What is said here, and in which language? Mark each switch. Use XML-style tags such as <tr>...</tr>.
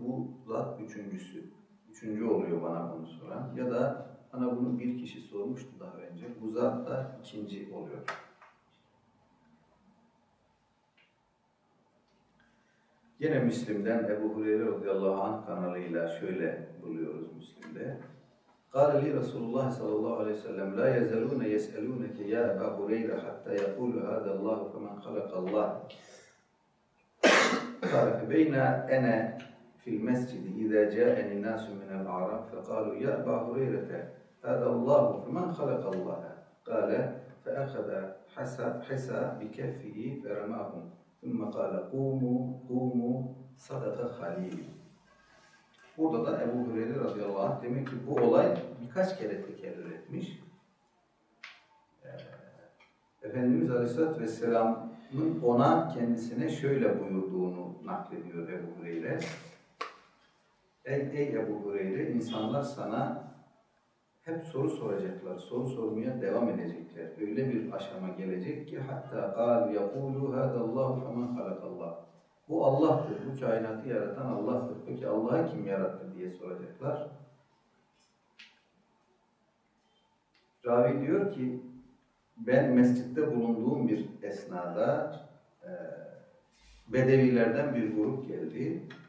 <tr>Bu zat üçüncüsü. Üçüncü oluyor bana bunu soran. Ya da bana bunu bir kişi sormuştu daha önce. Bu zat da ikinci oluyor. Yine Müslim'den Ebu Hureyre radıyallahu anh kanalıyla şöyle buluyoruz Müslim'de.</tr> <ar>قَالَ لِي رَسُولُ اللّٰهِ صَلَى اللّٰهُ عَلَيْهِ سَلَّمْ لَا يَزَلُونَ يَسْأَلُونَكَ يَا أَبَا هُرَيْرَ حَتَّى يَقُولُ هَذَا اللّٰهُ فَمَنْ خَلَقَ اللّٰهِ قَالَ بَيْنَا اَنَا في المسجد إذا جاءني ناس من الأعراب فقالوا يا أبا هريرة هذا الله فمن خلق الله قال فأخذ حسى بكفه فرماهم ثم قال قوموا صدق خليل.</ar> <tr>Burada da Ebu Hureyre radıyallahu anh demek ki bu olay birkaç kere tekerrür etmiş. Efendimiz Aleyhisselatü Vesselam'ın ona kendisine şöyle buyurduğunu naklediyor Ebu Hureyre. Ey Ebu Hureyre, insanlar sana hep soru soracaklar, soru sormaya devam edecekler. Öyle bir aşama gelecek ki hatta</tr> <ar>قال يقولوا هذا الله فمن خلق الله.</ar> <tr>Bu Allah'tır, bu kainatı yaratan Allah'tır. Peki Allah'ı kim yarattı diye soracaklar. Ravi diyor ki ben mescitte bulunduğum bir esnada bedevilerden bir grup geldi.</tr>